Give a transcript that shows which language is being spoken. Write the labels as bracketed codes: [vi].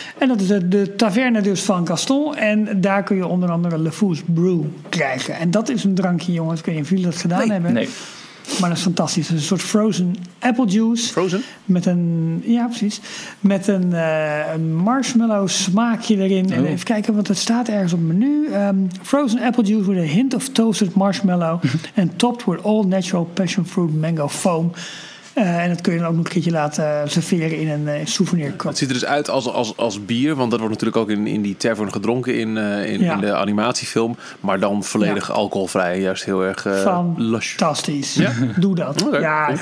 [nl] En dat is de taverne dus van Gaston. En daar kun je onder andere LeFou's Brew krijgen. En dat is een drankje, jongens. Ik weet niet of jullie dat gedaan hebben. Nee. Maar dat is fantastisch. Dat is een soort frozen apple juice. Frozen? Met een, ja, precies. Met een marshmallow smaakje erin. Oh. En even kijken, want het staat ergens op het menu. [en] Frozen apple juice with a hint of toasted marshmallow. En topped with all natural passion fruit mango foam. [nl] En dat kun je dan ook nog een keertje laten serveren in een souvenirkop. Het ziet er dus uit als bier. Want dat wordt natuurlijk ook in die tavern gedronken in de animatiefilm. Maar dan volledig alcoholvrij. Juist heel erg lush. Fantastisch. Ja. Doe dat. Okay. Ja,